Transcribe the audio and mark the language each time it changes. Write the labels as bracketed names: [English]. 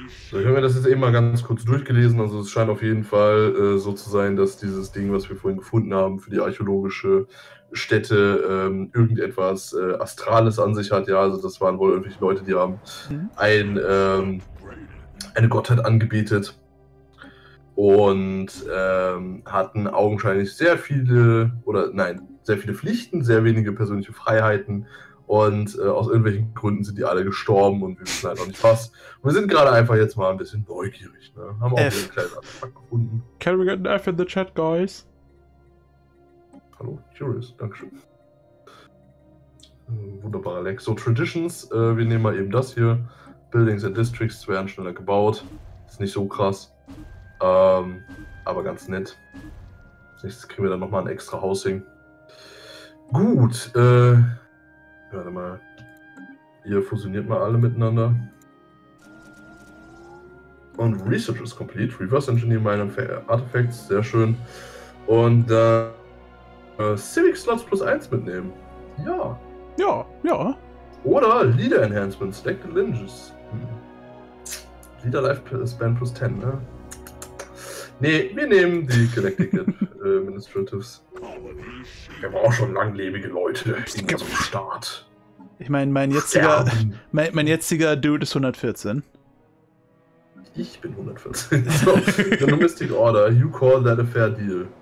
[German] So, ich habe mir das jetzt eben mal ganz kurz durchgelesen. Also es scheint auf jeden Fall so zu sein, dass dieses Ding, was wir vorhin gefunden haben für die archäologische Stätte, irgendetwas Astrales an sich hat. Ja, also das waren wohl irgendwelche Leute, die haben eine Gottheit angebetet und hatten augenscheinlich sehr viele Pflichten, sehr wenige persönliche Freiheiten und aus irgendwelchen Gründen sind die alle gestorben und wir wissen halt auch nicht was. Wir sind gerade einfach jetzt mal ein bisschen neugierig, ne? Haben auch einen kleinen Artefakt gefunden. [English] Can we get an F in the chat, guys? [German] Hallo, curious, dankeschön. Wunderbarer Lex. So, Traditions, wir nehmen mal eben das hier. Buildings and Districts werden schneller gebaut. Ist nicht so krass. Aber ganz nett. Als nächstes kriegen wir dann nochmal ein extra Housing. Gut, warte mal. Ihr fusioniert mal alle miteinander. Und [English] Research is complete. [German] Reverse Engineer meine Artifacts. Sehr schön. Und Civic Slots plus 1 mitnehmen. Ja. Ja, ja. Oder Leader Enhancement, Stack the Linges. Leader Life Span plus 10, ne? Ne, wir nehmen die Galactic Administratives. Wir haben auch schon langlebige Leute in unserem Start. Ich meine, mein jetziger Dude ist 114. Ich bin 114. [English] So, Nomistic Order, you call that a fair deal.